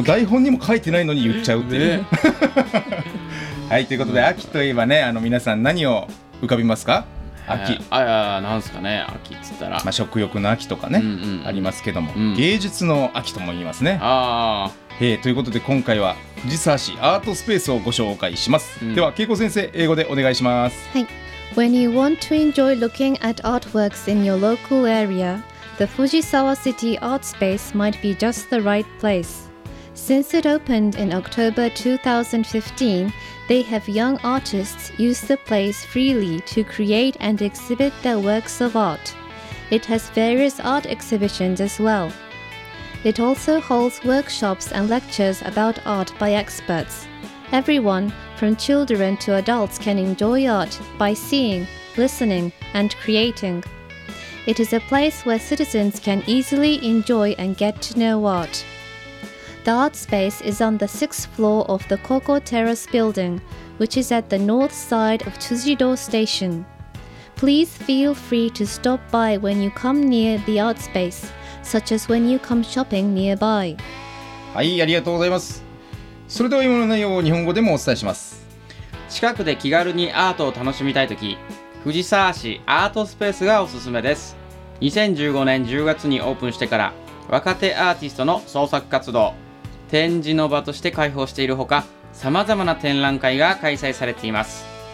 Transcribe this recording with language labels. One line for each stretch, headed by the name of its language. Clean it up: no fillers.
Japanese: う台本にも書いてないのに言っちゃうっていう、ね、はい、ということで、秋といえばね、あの皆さん何を浮かびますか。秋、あ、なんすかね、秋っつったら、まあ、食欲の秋とかね、うんうん、ありますけども、うん、芸術の秋とも言いますね。あ、ということで今回は藤沢市アートスペースをご紹介します、うん、では恵子先生、英語でお願いします。はい。
English: When you want to enjoy looking at artworks in your local area, the Fujisawa City Art Space might be just the right place. Since it opened in October 2015, they have young artists use the place freely to create and exhibit their works of art. It has various art exhibitions as well. It also holds workshops and lectures about art by experts. Everyone, from children to adults, can enjoy art by seeing, listening, and creating. It is a place where citizens can easily enjoy and get to know art. The art space is on the sixth floor of the Koko Terrace building, which is at the north side of Tsujido Station. Please feel free to stop by when you come near the art space. Such as when you come shopping nearby.
Japanese: はい、ありがとうございます。それでは今の内容を日本語でもお伝えします。近くで気軽にアートを楽しみたいとき、藤沢市アートスペースがおすすめです。 2015年10月にオープンしてから、若手アーティストの創作活動、展示の場として開放しているほか、さまざまな展覧会が開催されています。